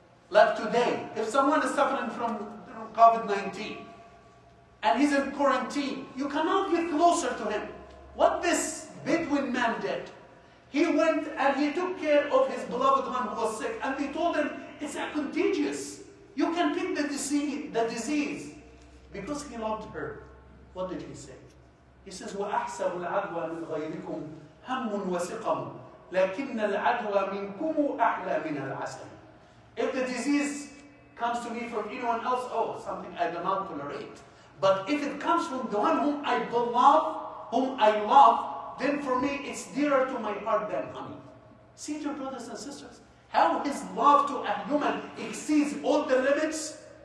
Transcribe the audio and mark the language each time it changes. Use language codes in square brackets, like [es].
[en] Like today, if someone is suffering from COVID-19 and he's in quarantine, you cannot get closer to him. What this Bedouin man did? He went and he took care of his beloved one who was sick, and they told him, it's a contagious. You can pick the disease. Because he loved her. What did he say? He says, [ar] وَأَحْسَبُ الْعَدْوَى مِنْ غَيْرِكُمْ هَمٌّ وَسِقَمٌ لَكِنَّ الْعَدْوَى مِنْكُمُ أَحْلَى مِنَ الْعَسَلِ. [en] If the disease comes to me from anyone else, oh, something I do not tolerate. But if it comes from the one whom I love, then for me, it's dearer to my heart than honey. See, dear brothers and sisters, How his love to a human exceeds all the limits.